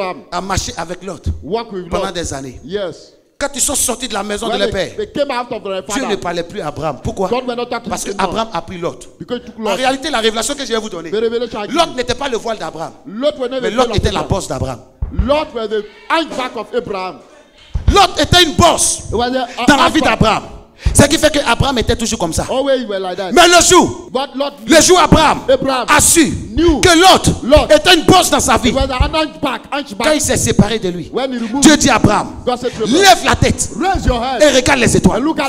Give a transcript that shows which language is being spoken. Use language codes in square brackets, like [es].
[fr] a marché avec Lot pendant des années. [en] Yes. [fr] Quand ils sont sortis de la maison de leur père, Dieu ne parlait plus à Abraham. Pourquoi? Parce que Abraham a pris Lot. En réalité, la révélation que je vais vous donner, Lot n'était pas le voile d'Abraham, mais Lot était la bosse d'Abraham. [en] Lot was the handbag of Abraham. [fr] Lot était une bosse dans la vie d'Abraham. Ce qui fait qu'Abraham était toujours comme ça. Mais le jour Abraham a su que Lot était une bosse dans sa vie, quand il s'est séparé de lui, Dieu dit à Abraham, lève la tête et regarde les étoiles.